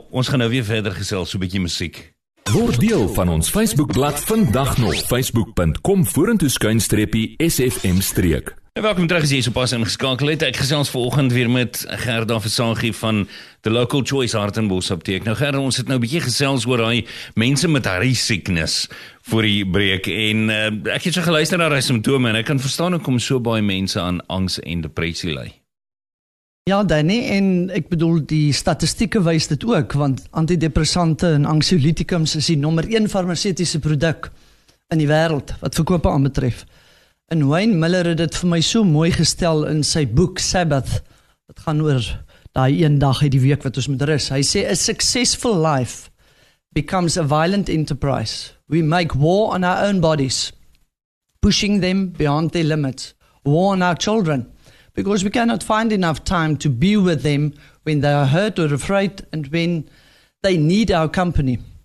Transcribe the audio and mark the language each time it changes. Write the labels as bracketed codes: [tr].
[af] Ons gaan nou weer verder gesels, so 'n bietjie musiek. Word deel van ons Facebookblad vandag nog. facebook.com/sfmstreek En welkom terug as jy so pas ingeskakel het. Ek gesels vanoggend weer met Gerda Versaagie van The Local Choice Hartenbosch Apteek. Nou Gerda, ons het nou 'n bietjie gesels oor daai mense met hierdie siekness voor die breek. En ek het so geluister na daai simptome en ek kan verstaan hoekom so baie mense aan angs en depressie ly. Ja Danny, en ek bedoel die statistieke wys dit ook, want antidepressante en anxiolytikums is die nommer 1 farmaseutiese produk in die wêreld wat verkoop aan betref. En Wayne Miller het dit vir my so mooi gestel in sy boek Sabbath. Dit gaan oor daai een dag uit die week wat ons moet rus. Hy sê, [en] a successful life becomes a violent enterprise. We make war on our own bodies, pushing them beyond their limits. War on our children, because we cannot find enough time to be with them when they are hurt or afraid and when they need our company.